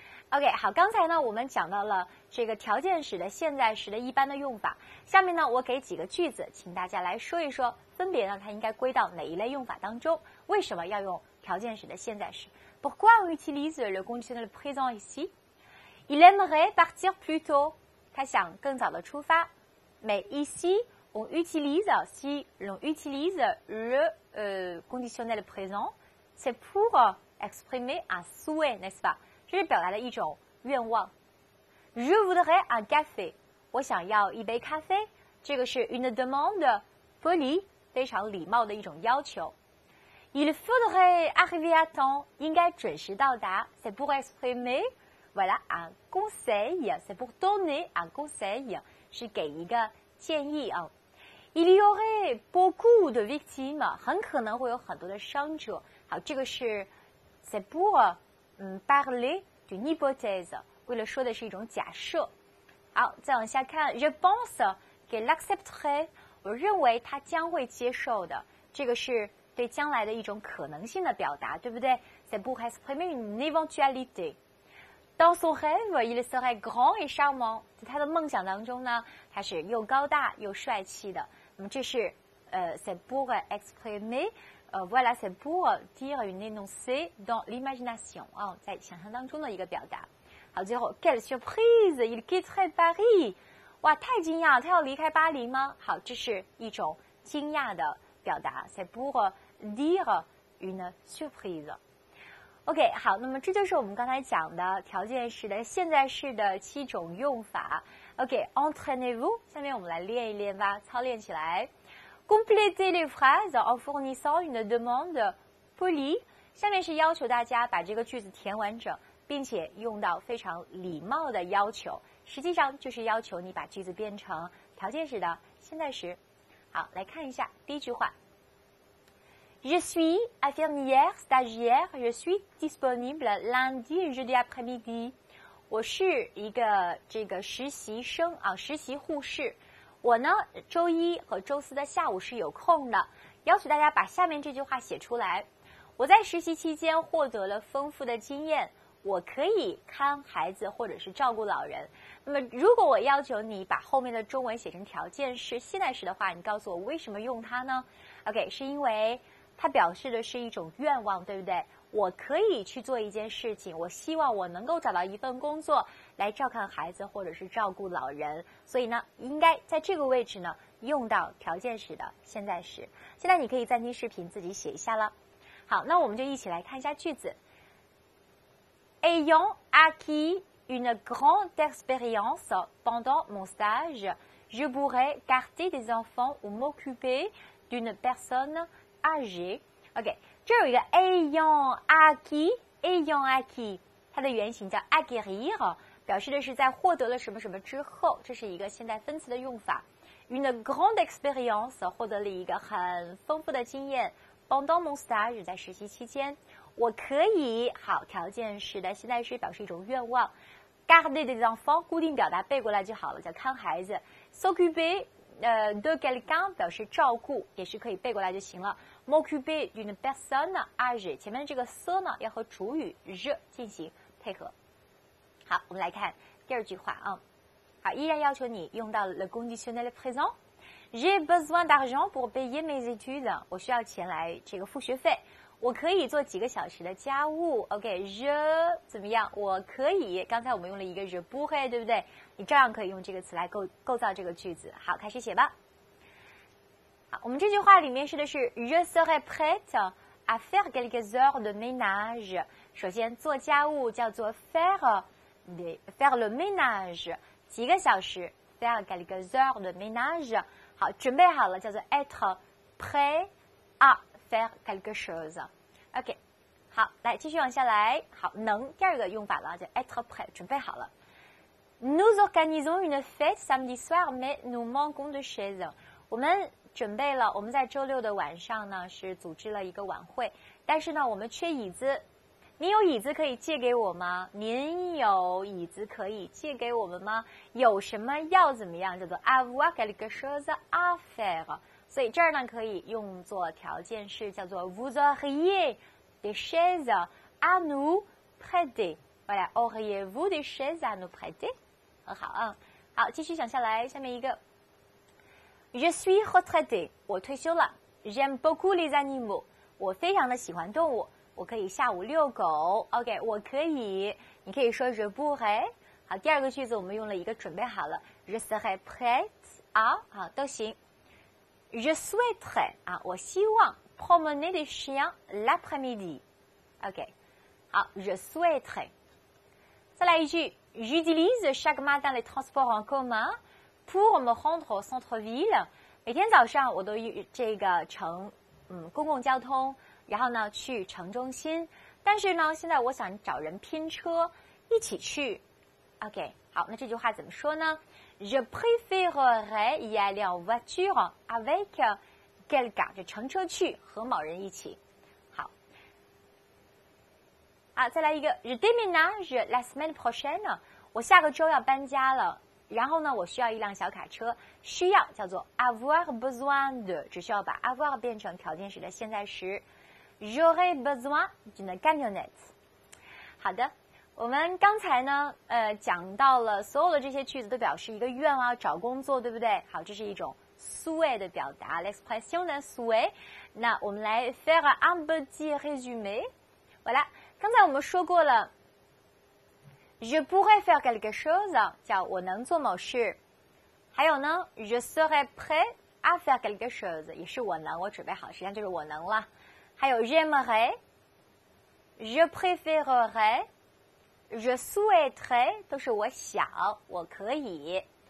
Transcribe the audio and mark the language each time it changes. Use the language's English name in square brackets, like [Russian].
[Chinese] OK， 好，刚才呢我们讲到了这个条件时的、现在时的一般的用法，下面呢我给几个句子请大家来说一说，分别呢它应该归到哪一类用法当中，为什么要用条件时的、现在时。 [French] Pourquoi on utilise le conditionnel présent ici? Il aimerait partir plus tôt. [Chinese] 他想更早的出发。 [French] Mais ici on utilise, si on utilise le conditionnel présent, c'est pour exprimer un souhait, n'est-ce pas? [Chinese] 这是表达了一种愿望。 [French] Je voudrais un café. [Chinese] 我想要一杯咖啡。这个是 [French] une demande polie, [Chinese] 非常礼貌的一种要求。 [French] Il faudrait arriver à temps. [Chinese] 应该准时到达。 [French] C'est pour exprimer, voilà, un conseil. C'est pour donner un conseil. [Chinese] 是给一个建议啊。 [French] Il y aurait beaucoup de victimes. [Chinese] 很可能会有很多的伤者。好，这个是 [French] c'est pour,parler d'une hypothèse, [Chinese] 为了说的是一种假设。好，再往下看 , [French] je pense qu'il accepterait, [Chinese] 我认为他将会接受的，这个是对将来的一种可能性的表达，对不对？ [French] C'est pour exprimer une éventualité. Dans son rêve, il serait grand et charmant. [Chinese] 在他的梦想当中呢，他是又高大又帅气的。那么这是 [French] c'est pour exprimer,voilà, c'est pour dire une énoncée dans l'imagination, [Chinese] 在想象当中的一个表达。好，最后 [French] quelle surprise, il quitterait Paris. [Chinese] 哇，太惊讶了，他要离开巴黎吗？好，这是一种惊讶的表达， [French] c'est pour dire une surprise. [Chinese] OK, 好，那么这就是我们刚才讲的条件式的、现在式的七种用法。 OK, [French] entraînez-vous, [Chinese] 下面我们来练一练吧，操练起来。 [French] Complétez les phrases en fournissant une demande polie. [Chinese] 下面是要求大家把这个句子填完整，并且用到非常礼貌的要求，实际上就是要求你把句子变成条件时的、现在时。好，来看一下第一句话。 [French] Je suis infirmière stagiaire. Je suis disponible lundi et jeudi après-midi. [Chinese] 我是一个这个实习生啊，实习护士。我呢周一和周四的下午是有空的，要求大家把下面这句话写出来。我在实习期间获得了丰富的经验，我可以看孩子或者是照顾老人。那么如果我要求你把后面的中文写成条件式、现在时的话，你告诉我为什么用它呢？ OK, 是因为它表示的是一种愿望，对不对？我可以去做一件事情，我希望我能够找到一份工作来照看孩子或者是照顾老人，所以呢应该在这个位置呢用到条件时的、现在时。现在你可以暂停视频自己写一下了。好，那我们就一起来看一下句子。 [French] Ayant acquis une grande expérience pendant mon stage, je pourrais garder des enfants ou m'occuper d'une personne âgée. [Chinese] OK,这有一个 [French] ayant acquis, [Chinese] 它的原型叫 acquérir, 表示的是在获得了什么什么之后，这是一个现在分词的用法。 [French] Une grande expérience, [Chinese] 获得了一个很丰富的经验。 [French] Pendant mon stage, [Chinese] 在实习期间，我可以，好，条件式的、现在式表示一种愿望。 [French] Garder des enfants, [Chinese] 固定表达背过来就好了，叫看孩子。 [French] S'occuper,de quelqu'un [Chinese] 表示照顾，也是可以背过来就行了。 [French] m'occuper d'une personne âgée [Chinese] 前面这个 se 呢要和主语 je 进行配合。好，我们来看第二句话啊。好，依然要求你用到 [French] le conditionnel présent。 J'ai besoin d'argent pour payer mes études. [Chinese] 我需要钱来这个付学费，我可以做几个小时的家务。 OK, je 怎么样，我可以，刚才我们用了一个 [French] je pourrais, [Chinese] 对不对？你照样可以用这个词来 构造这个句子。好，开始写吧。好，我们这句话里面说的是 [French] Je serais prête à faire quelques heures de ménage. [Chinese] 首先做家务叫做 [French] faire le ménage, [Chinese] 几个小时 [French] faire quelques heures de ménage. [Chinese] 好，准备好了叫做 [French] être prêt à faire quelque chose. [Chinese] OK, 好，来继续往下来。好，能第二个用法了，叫 [French] être prêt, [Chinese] 准备好了。 [French] Nous organisons une fête samedi soir, mais nous manquons de chaises. [Chinese] 我们准备了，我们在周六的晚上呢是组织了一个晚会，但是呢我们缺椅子。你有椅子可以借给我吗？您有椅子可以借给我们吗？有什么要怎么样？叫做 [French] avoir quelque chose à faire. [Chinese] 所以这儿呢可以用作条件式，叫做 [French] Vous auriez des chaises à nous prêter. Voilà, auriez-vous des chaises à nous prêter? [Chinese] 很好啊。好，继续想下来，下面一个。 [French] Je suis retraité, [Chinese] 我退休了。 [French] J'aime beaucoup les animaux, [Chinese] 我非常的喜欢动物。我可以下午遛狗。OK, 我可以。你可以说 [French] je pourrais。 [Chinese] 好，第二个句子我们用了一个准备好了。 [French] Je serai prête à, [Chinese] 好，都行。 [French] Je souhaiterais, [Chinese] 啊，我希望 [French] promener les chiens l'après-midi. [Chinese] OK, 好 [French] ,je souhaiterais. 再来一句 ,j'utilise chaque matin les transports en commun pour me rendre au centre-ville. [Chinese] 每天早上我都这个乘公共交通，然后呢去城中心。但是呢现在我想找人拼车一起去。 OK, 好，那这句话怎么说呢？ [French] Je préférerais y aller en voiture avec quelqu'un, [Chinese] 就乘车去和某人一起。好。啊，再来一个。 Je déménage la semaine prochaine. 我下个周要搬家了。然后呢我需要一辆小卡车。需要叫做 [French] avoir besoin de, [Chinese] 只需要把 avoir 变成条件时的现在时。 [French] J'aurais besoin d'une camionnette. [Chinese] 好的。我们刚才呢讲到了所有的这些句子都表示一个愿望，找工作，对不对？好，这是一种 souhait 的表达 [French] l'expression de souhait。 [Chinese] 那我们来 [French] faire un petit résumé。 [Chinese] voilà, 刚才我们说过了 [French] je pourrais faire quelque chose, [Chinese] 叫我能做某事。还有呢 [French] je serais prêt à faire quelque chose, [Chinese] 也是我能，我准备好，实际上就是我能了。还有 [French] j'aimerais, je préférerais,Je souhaiterais, [Chinese] 都是我想，我可以。